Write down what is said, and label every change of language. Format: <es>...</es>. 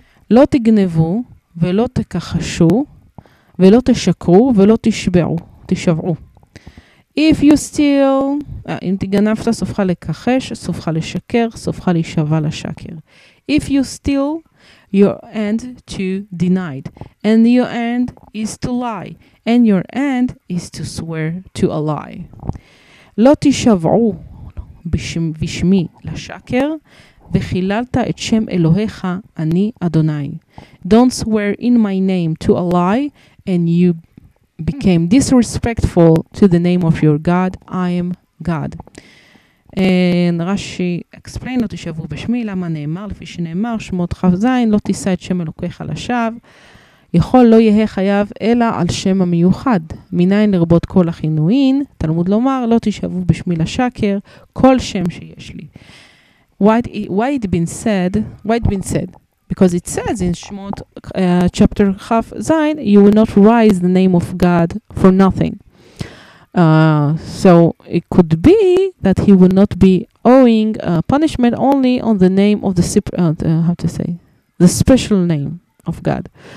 <he>לא תגנבו ולא תכחשו ולא תשקרו ולא תשבעו.</he> <en>If you steal,</en> <he>אם תגנבת, סופך לקחש, סופך לשקר, סופך להישבע לשקר.</he> <en>If you steal, your end to denied. And your end is to lie. And your end is to swear to a lie.</en> <he>לא תשבעו בשם, בשמי לשקר, וחיללת את שם אלוהיך, אני אדוני.</he> <en>Don't swear in my name to a lie, and you became disrespectful to the name of your God. I am God. And Rashi explained,</en> <he>לא תשבעו בשמי, למה נאמר, לפי שנאמר, שמות חזיין, לא תישא את שם אלוקיך לשווא, יכול לא יהיה חייב, אלא על שם המיוחד. מניין לרבות כל החינויים, תלמוד לומר, לא תשבעו בשמי לשקר, כל שם שיש לי.</he> <en>Why it been said? Because it says in Shemot chapter half Zayin, you will not raise the name of God for nothing. So it could be that he will not be owing punishment only on the name of the special name of God.</en>